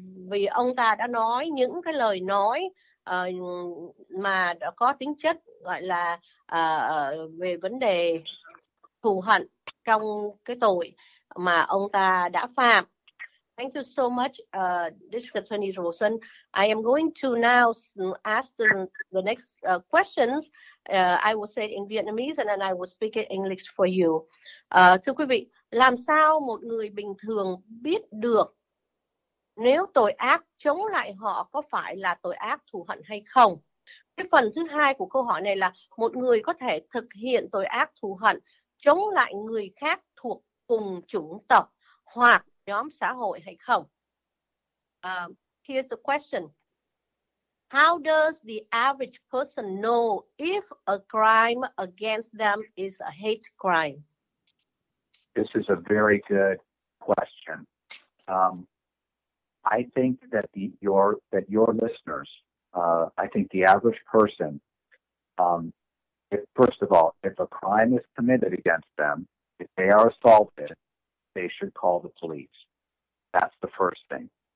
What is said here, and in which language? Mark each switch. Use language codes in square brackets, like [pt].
[vi] vì ông ta đã nói những cái lời nói mà đã có tính chất gọi là về vấn đề thù hận trong cái tội mà ông ta đã phạm. [en] Thank you so much, District Attorney Rosen. I am going to now ask the next questions. I will say in Vietnamese and then I will speak in English for you. [vi] Thưa quý vị, làm sao một người bình thường biết được nếu tội ác chống lại họ có phải là tội ác thù hận hay không? Cái phần thứ hai của câu hỏi này là một người có thể thực hiện tội ác thù hận chống lại người khác thuộc cùng chủng tộc hoặc nhóm xã hội hay không? [en] Here's the question. How does the average person know if a crime against them is a hate crime? This is a very good question. I think that your listeners, I think the average person, first of all, if a crime is committed against them, if they are assaulted, they should call the police. That's the first thing.